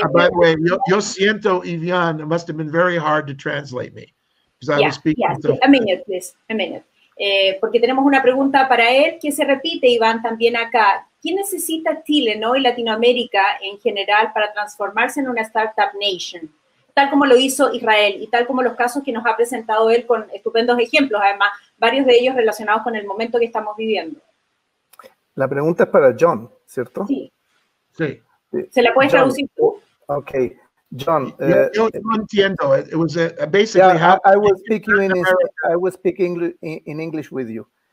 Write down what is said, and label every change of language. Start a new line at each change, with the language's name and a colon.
English: By the way,
Spanish: yo siento,
English: Iván, it must have been very hard to translate me. Because I was speaking. Yeah, a minute, please, a minute.
Spanish: Porque tenemos una pregunta para él que se repite, Iván, también acá. ¿Qué necesita Chile, ¿no?, y Latinoamérica en general para transformarse en una startup nation? Tal como lo hizo Israel y tal como los casos que nos ha presentado él con estupendos ejemplos, además, varios de ellos relacionados con el momento que estamos viviendo. La pregunta es para John, ¿cierto? Sí. Sí. ¿Se la puedes traducir tú?
English: Ok. John,
Spanish: yo entiendo.
English: It was basically I was speaking in I was speaking in English with you.